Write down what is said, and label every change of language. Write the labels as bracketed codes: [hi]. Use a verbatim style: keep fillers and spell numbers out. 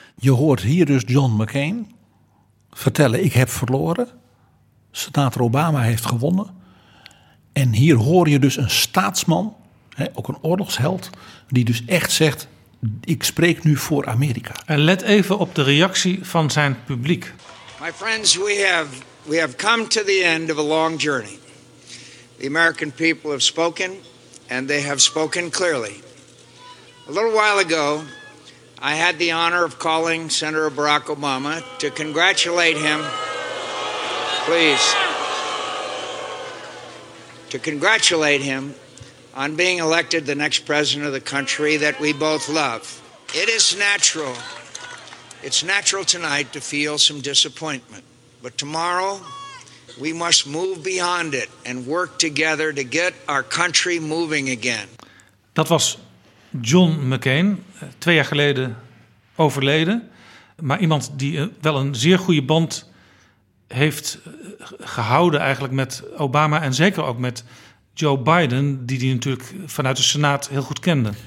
[nl] Je hoort hier dus John McCain vertellen: ik heb verloren. Senator Obama heeft gewonnen. En hier hoor je dus een staatsman, hè, ook een oorlogsheld, die dus echt zegt: ik spreek nu voor Amerika. En let even op de reactie van zijn publiek. [en] My friends, we have we have come to the end of a long journey. The American people have spoken, and they have spoken clearly. A little while ago, I had the honor of calling Senator Barack Obama to congratulate him. Please. To congratulate him on being elected the next president of the country that we both love. It is natural. It's natural tonight to feel some disappointment, but tomorrow we must move beyond it and work together to get our country moving again. [nl] Dat was John McCain, twee jaar geleden overleden, maar iemand die wel een zeer goede band heeft gehouden eigenlijk met Obama en zeker ook met Joe Biden, die die natuurlijk vanuit de Senaat heel goed kende.